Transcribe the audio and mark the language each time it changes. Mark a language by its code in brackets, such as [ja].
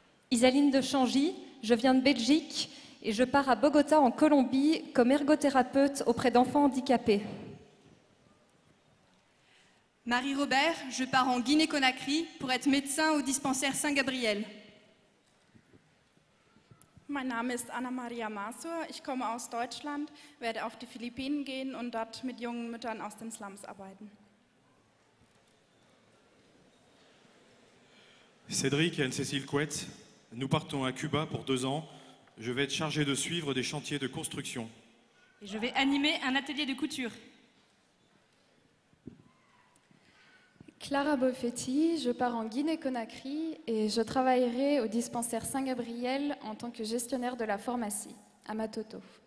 [fr] Isaline de Changy, je viens de Belgique et je pars à Bogota en Colombie comme ergothérapeute auprès d'enfants handicapés. Marie Robert, je pars en Guinée-Conakry pour être médecin au dispensaire Saint-Gabriel. [de] Mein Name ist Anna Maria Masur, ich komme aus Deutschland, werde auf die Philippinen gehen und dort mit jungen Müttern aus den Slums arbeiten. [fr] Cédric et Anne-Cécile Couette, nous partons à Cuba pour 2 ans Je vais être chargé de suivre des chantiers de construction. Et je vais animer un atelier de couture. Clara Boffetti, je pars en Guinée-Conakry et je travaillerai au dispensaire Saint-Gabriel en tant que gestionnaire de la pharmacie, à Matoto.